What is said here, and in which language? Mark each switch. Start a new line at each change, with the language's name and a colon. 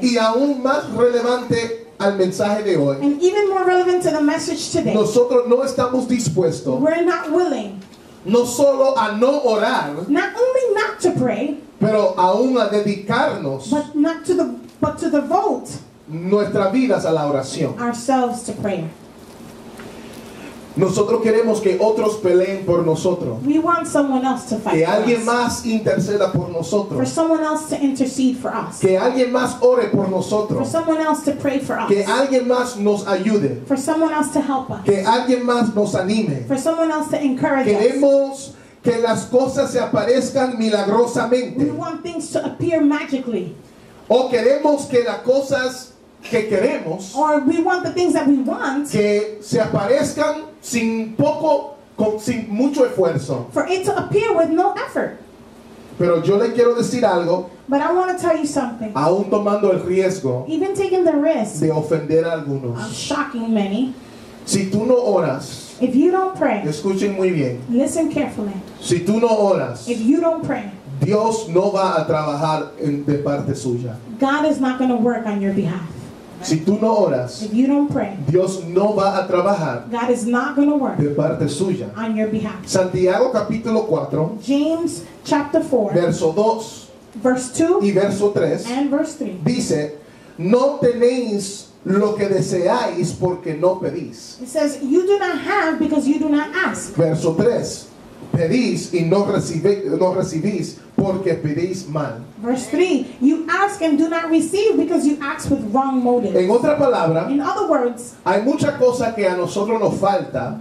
Spanish: Y aún más relevante al mensaje de hoy.
English: And even more relevant to the message today.
Spanish: Nosotros no estamos dispuestos.
English: We're not willing.
Spanish: No solo a no orar,
English: not only not to pray,
Spanish: pero aún a dedicarnos,
English: but to devote
Spanish: nuestras vidas a la oración,
English: ourselves to prayer.
Spanish: Nosotros queremos que otros peleen por nosotros.
English: We want someone else to fight.
Spanish: Que alguien más interceda por nosotros.
English: For someone else to intercede for us.
Spanish: Que alguien más ore por nosotros.
English: For someone else to pray for us.
Spanish: Que alguien más nos ayude.
English: For someone else to help us.
Spanish: Que alguien más nos anime.
English: For someone else to encourage us.
Spanish: Queremos que las cosas se aparezcan milagrosamente.
English: We want things to appear magically.
Spanish: O queremos que las cosas que queremos,
English: or we want the things that we want,
Spanish: que se aparezcan sin poco, sin mucho esfuerzo,
English: for it to appear with no effort.
Spanish: Pero yo le quiero decir algo,
English: but I want to tell you something,
Spanish: aún tomando el riesgo,
English: even taking the risk,
Spanish: de ofender a algunos,
English: of shocking many.
Spanish: Si tú no oras,
English: if you don't pray,
Spanish: escuchen muy bien,
English: listen carefully.
Spanish: Si tú no oras,
English: if you don't pray,
Spanish: Dios no va a trabajar en, de parte suya.
English: God is not going to work on your behalf.
Spanish: Si tú no oras,
English: if you don't pray,
Spanish: Dios no va a trabajar,
English: God is not going to work,
Spanish: de parte suya,
English: on your behalf.
Spanish: Santiago capítulo 4,
English: James chapter 4,
Spanish: verso 2,
English: verse 2,
Spanish: y verso 3,
English: and verse 3,
Spanish: dice, no tenéis lo que deseáis porque no pedís.
English: It says, you do not have because you do not ask.
Spanish: Verso 3, pedís y no recibís porque pedís mal.
English: Verse 3, you ask and do not receive because you ask with wrong motives.
Spanish: En otra palabra,
English: in other words,
Spanish: hay muchas cosas que a nosotros nos falta,